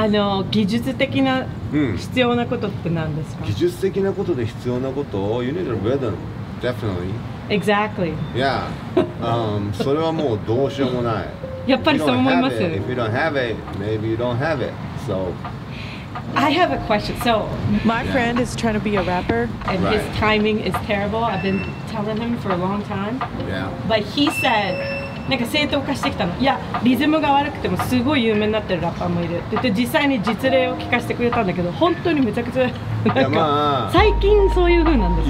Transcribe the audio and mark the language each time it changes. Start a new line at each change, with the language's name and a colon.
Japanese: あの技術的な必要なことって何ですか。技術的なことで必要なこと、
English: you need a rhythm, definitely. Exactly. Yeah.
Japanese: それはもうどうしようもない。やっぱりそう思います。
English: If you don't have it, maybe you don't have it. So. I have a question. So my friend is trying to be a rapper, and his timing is terrible. I've been telling him for a long time. Yeah. But he said.
Japanese: なんか正当化してきたの。いや、リズムが悪くてもすごい有名になってるラッパーもいるって言って、実際に実例を聞かせてくれたんだけど、本当にめちゃくちゃなんか、まあ、最近そういう風なんですか。